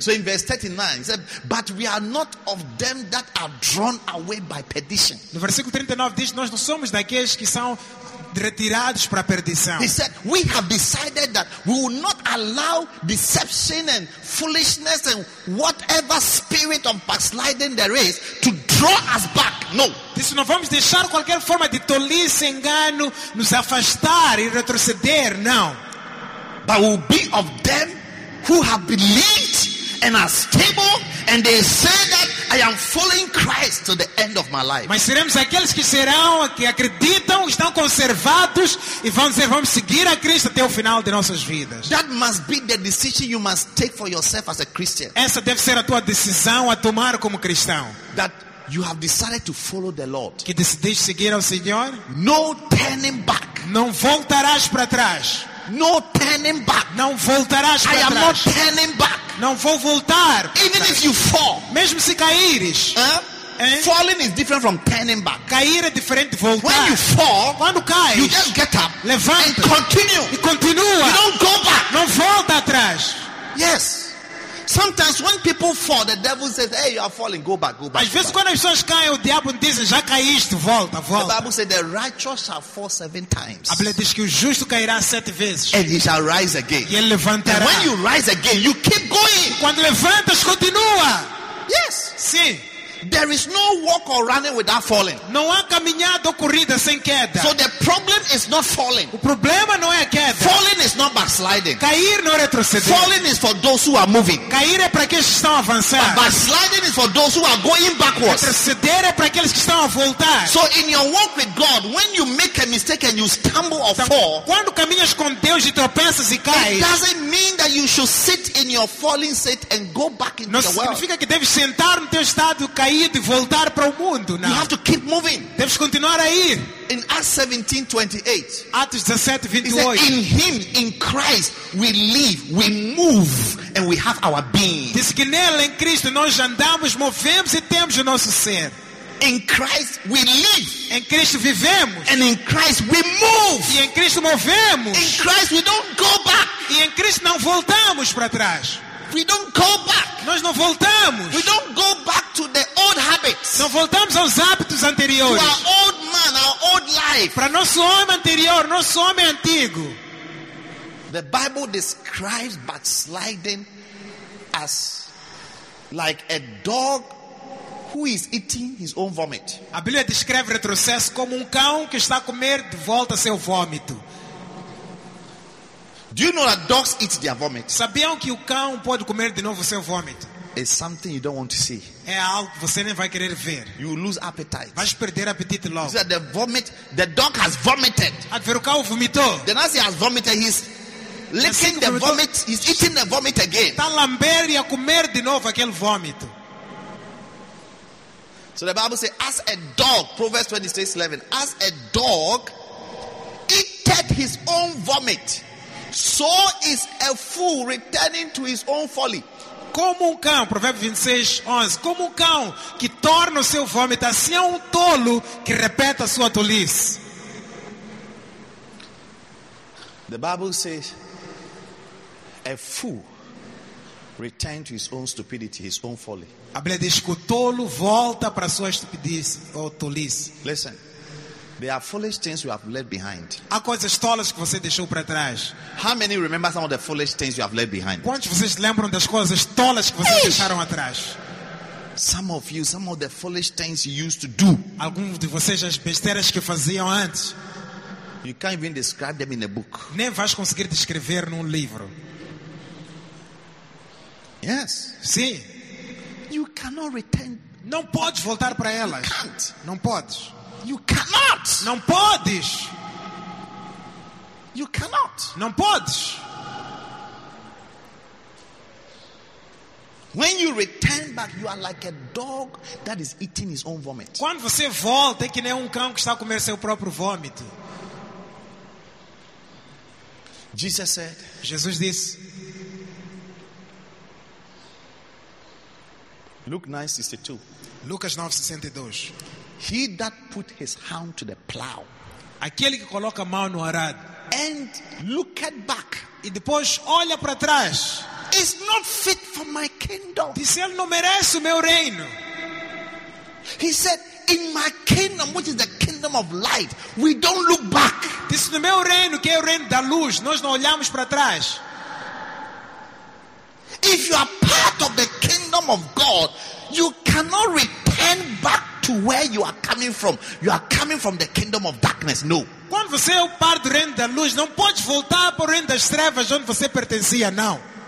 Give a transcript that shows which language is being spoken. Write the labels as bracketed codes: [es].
[en] So in verse 39, he said, but we are not of them that are drawn away by perdition. [pt] No versículo 39 diz, nós não somos daqueles que são retirados para a perdição. [en] He said, we have decided that we will not allow deception and foolishness and whatever spirit of backsliding there is to draw us back. No. [pt] Disse, não vamos deixar qualquer forma de tolice, engano, nos afastar e retroceder, não. [en] But we'll be of them who have believed and are stable, and they say that I am following Christ to the end of my life. [pt] Mas seremos aqueles que serão, que acreditam, estão conservados e vão dizer, vamos seguir a Cristo até o final de nossas vidas. [en] That must be the decision you must take for yourself as a Christian. [pt] Essa deve ser a tua decisão a tomar como cristão. [en] That you have decided to follow the Lord. [pt] Que decidiste seguir ao Senhor. [en] No turning back. [pt] Não voltarás para trás. [en] No turning back. [pt] Não voltarás para trás. [en] I am not turning back. [pt] Não vou voltar. [en] Even if you fall. [pt] Mesmo se caíres. [en] Falling is different from turning back. [pt] Cair é diferente de voltar. [en] When you fall, [pt] quando cais, [en] you just get up. [pt] Levanta. [en] And continue. [pt] E continua. [en] You don't go back. [pt] Não volta atrás. [en] Yes. Sometimes when people fall, the devil says, "Hey, you are falling. Go back, go back." [pt] Às vezes quando as pessoas caem, o diabo diz, "Já caíste, volta, volta." [en] The Bible says, "The righteous shall fall 7 times." [pt] A Bíblia diz que o justo cairá 7 vezes. [en] And he shall rise again. [pt] E ele levantará. [en] And when you rise again, you keep going. [pt] Quando levantas, continua. [en] Yes. [pt] Sim. [en] There is no walk or running without falling. [pt] Não há caminhada ou corrida sem queda. [en] So the problem is not falling. [pt] O problema não é a queda. [en] Falling is not backsliding. [pt] Cair não é retroceder. [en] Falling is for those who are moving. [pt] Cair é para aqueles que estão a avançar. [en] Backsliding is for those who are going backwards. [pt] Retroceder é para aqueles que estão a voltar. [en] So in your walk with God, when you make a mistake and you stumble or fall, [pt] quando caminhas com Deus e tropeças e caes, [en] it doesn't mean that you should sit in your falling state and go back into the world. [pt] Não significa que deves sentar no teu estado caído e voltar para o mundo. Não. [en] You have to keep moving. [pt] Deves continuar a ir. [en] In Acts 17:28. [pt] Atos 17:28. Diz, [en] in him, in Christ, we live, we move, and we have our being. [pt] Diz que nele, em Cristo, nós andamos, movemos e temos o nosso ser. [en] In Christ we live. [pt] Em Cristo vivemos. [en] And in Christ we move. [pt] E em Cristo movemos. [en] In Christ we don't go back. [pt] E em Cristo não voltamos para trás. [en] We don't go back. [pt] Nós não voltamos. [en] We don't go back to the old habits. [pt] Não voltamos aos hábitos anteriores. [en] To our old man, our old life. [pt] Para nosso homem anterior, nosso homem antigo. [en] The Bible describes backsliding as like a dog who is eating his own vomit. [pt] A Bíblia descreve retrocesso como cão que está a comer de volta seu vômito. [en] Do you know that dogs eat their vomit? [pt] Sabiam que o cão pode comer de novo seu vômito? [en] It's something you don't want to see. [pt] É algo que você nem vai querer ver. [en] You lose appetite. [pt] Vais perder apetite logo. [en] You see that the vomit, the dog has vomited. [pt] A ver o cão vomitou. [en] Then as he has vomited, he's licking the vomit, he's eating the vomit again. [pt] Está lamber e a comer de novo aquele vômito. [en] So the Bible says, as a dog, Proverbs 26:11, as a dog eateth his own vomit. So is a fool returning to his own folly. [pt] Como cão, Provérbios 26:11. Como cão que torna o seu vômito, assim é tolo que repete a sua tolice. [en] The Bible says, a fool returns to his own stupidity, his own folly. [pt] A Bíblia diz que o tolo volta para a sua estupidez ou tolice. [en] Listen. There are foolish things you have left behind. [pt] Há coisas tolas que você deixou para trás. [en] How many remember some of the foolish things you have left behind? [pt] Quantos vocês lembram das coisas tolas que vocês deixaram atrás? [en] Some of you, some of the foolish things you used to do. [pt] Alguns de vocês as besteiras que faziam antes. [en] You can't even describe them in a book. [pt] Nem vais conseguir descrever num livro. [en] Yes. [pt] Sim. [en] You cannot return. [pt] Não podes voltar para elas. [en] You can't. [pt] Não podes. [en] You cannot. [pt] Não podes. [en] You cannot. [pt] Não podes. [en] When you return back, you are like a dog that is eating his own vomit. [pt] Quando você volta, é que nem cão que está a comer seu próprio vômito. [en] Jesus said. [pt] Jesus disse. [en] Luke 9:62. [pt] Lucas 9:62. [en] He that put his hand to the plow. [pt] Aquele que coloca a mão no arado. [en] And looked back. [pt] E depois olha para trás. [en] Is not fit for my kingdom. [pt] Disse, ele não merece o meu reino. [en] He said, in my kingdom, which is the kingdom of light, we don't look back. [pt] Disse, no meu reino, que é o reino da luz, nós não olhamos para trás. [en] If you are part of the kingdom of God, you cannot return back to where you are coming from. You are coming from the kingdom of darkness. No. [pt] Quando você é parte do reino da luz, não pode voltar para o reino das trevas onde você pertencia, não.